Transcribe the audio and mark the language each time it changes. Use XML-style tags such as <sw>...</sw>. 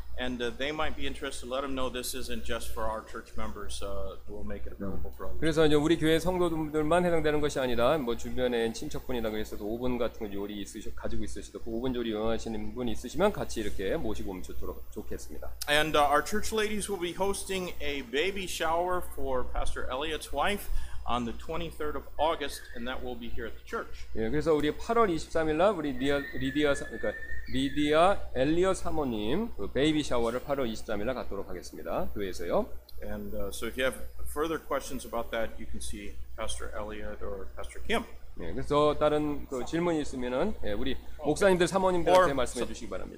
<en>And they might be interested. Let them know this isn't just for our church members. We'll make it available for all.</en> <ko>그래서 이제 우리 교회 성도들만 해당되는 것이 아니라 뭐 주변에 친척분이나 그래서도 오븐 같은 요리 있으시 가지고 있으시도 그 오븐 요리 이용하시는 분 있으시면 같이 이렇게 모시고 오면 좋도록 좋겠습니다.</ko> <en>And our church ladies will be hosting a baby shower for Pastor Elliott's wife on the 23rd of August, and that will be here at the church.</en> <ko>예, 그래서 우리 8월 23일 날 우리 리디아 그러니까 리디아 엘리어 사모님 그 베이비 샤워를 8월 23일 날 갖도록 하겠습니다. 교회에서요.</ko> <en>And so if you have further questions about that, you can see Pastor Elliott or Pastor Kim.</en> <ko>예, 그래서 다른 그 질문이 있으면은 예, 우리 목사님들 사모님들한테 말씀해 주시기 바랍니다.</ko>